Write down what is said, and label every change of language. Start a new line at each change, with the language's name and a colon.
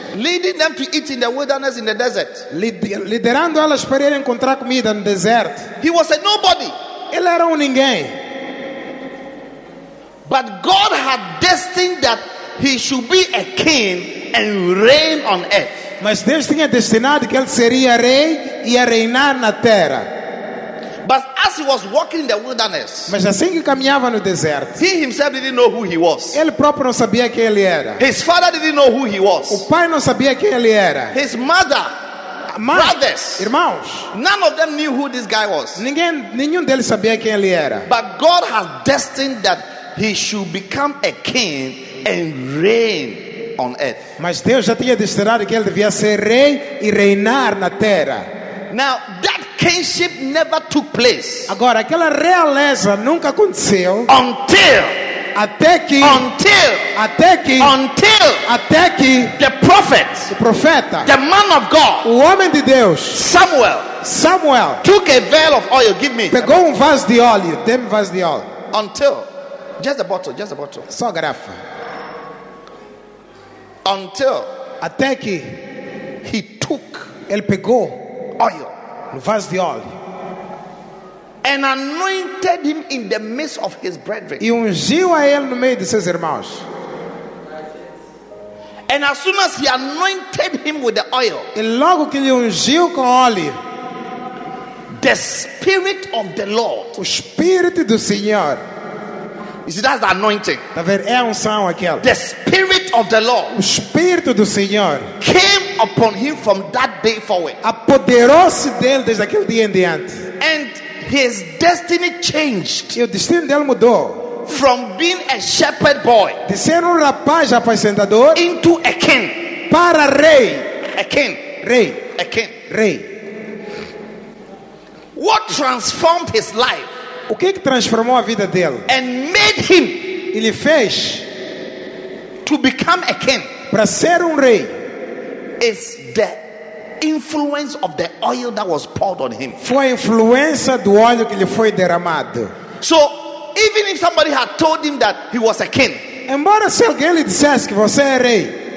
English: Leading them to eat in the wilderness in the desert.
Portuguese: Liderando elas para ir encontrar comida no deserto.
English: He was a nobody.
Portuguese: Ele era ninguém.
English: But God had destined that he should be a king and reign on earth.
Portuguese: Mas Deus tinha destinado que ele seria rei e a reinar na terra.
English: But as he was walking in the wilderness,
Portuguese: mas assim que caminhava no deserto,
English: he himself didn't know who he was.
Portuguese: Ele próprio não sabia quem ele era.
English: His father didn't know who he was.
Portuguese: O pai não sabia quem ele era.
English: His mother, brothers,
Portuguese: irmãos,
English: none of them knew who this guy was.
Portuguese: Nenhum deles sabia quem ele era.
English: But God has destined that he should become a king and reign on earth.
Portuguese: Mas Deus já tinha destinado que ele devia ser rei e reinar na terra.
English: Now that kingship never took place.
Portuguese: Agora aquela realeza nunca aconteceu.
English: Until the prophet, the man of God,
Portuguese: o homem de Deus,
English: Samuel, took a vial of oil. Give me.
Portuguese: Pegou vaso de óleo. Dê-me vaso de óleo.
English: Until. Just a bottle.
Portuguese: Só garrafa.
English: Until.
Portuguese: Até que.
English: He took.
Portuguese: Ele pegou.
English: Oil.
Portuguese: No vaso de óleo.
English: And anointed him in the midst of his brethren.
Portuguese: E ungiu a ele no meio de seus irmãos.
English: And as soon as he anointed him with the oil.
Portuguese: E logo que ele ungiu com óleo.
English: The spirit of the Lord.
Portuguese: O espírito do Senhor.
English: You see, that's the anointing.
Portuguese: Tá vendo? É a unção aquela.
English: The spirit of the Lord.
Portuguese: O espírito do Senhor.
English: Came upon him from that day forward.
Portuguese: Apoderou-se dele desde aquele dia em diante.
English: And his destiny changed.
Portuguese: E o destino dele mudou.
English: From being a shepherd boy.
Portuguese: De ser rapaz apacentador.
English: Into a king.
Portuguese: Para rei.
English: A king.
Portuguese: Rei.
English: A king.
Portuguese: Rei.
English: What transformed his life?
Portuguese: O que transformou a vida dele?
English: And made him.
Portuguese: Ele fez.
English: To become a king.
Portuguese: Para ser rei.
English: Is the influence of the oil that was poured on him.
Portuguese: Foi a influência do óleo que lhe foi derramado.
English: So, even if somebody had told him that he was a king.
Portuguese: Embora se alguém lhe dissesse que você é rei.